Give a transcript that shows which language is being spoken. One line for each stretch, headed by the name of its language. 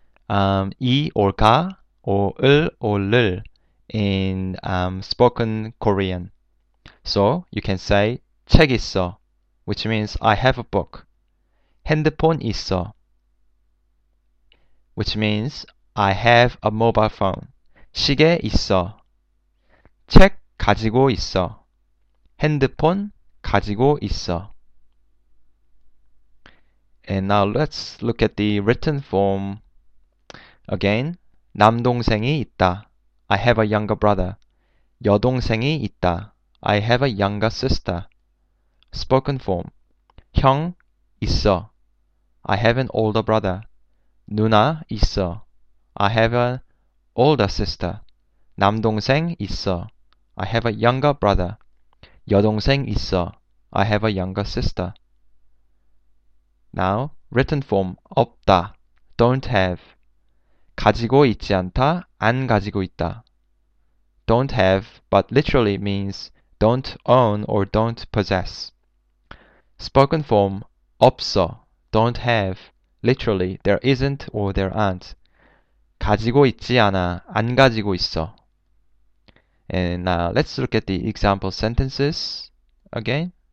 English: 이 or 가 or 을 or 를 in spoken Korean. So you can say
Korean: 책 있어,
English: which means I have a book.
Korean: 핸드폰 있어,
English: which means I have a mobile phone.
Korean: 시계 있어, 책 가지고 있어, 핸드폰 가지고 있어.
English: And now let's look at the written form. Again,
Korean: 남동생이 있다.
English: I have a younger brother.
Korean: 여동생이 있다.
English: I have a younger sister. Spoken form.
Korean: 형 있어.
English: I have an older brother.
Korean: 누나 있어.
English: I have an older sister.
Korean: 남동생 있어.
English: I have a younger brother.
Korean: 여동생 있어.
English: I have a younger sister. Now, written form. 없다. Don't have.
Korean: 가지고 있지 않다, 안 가지고 있다.
English: Don't have, but literally means don't own or don't possess. Spoken form,
Korean: 없어,
English: don't have. Literally, there isn't or there aren't.
Korean: 가지고 있지 않아, 안 가지고 있어.
English: And now, let's look at the example sentences again.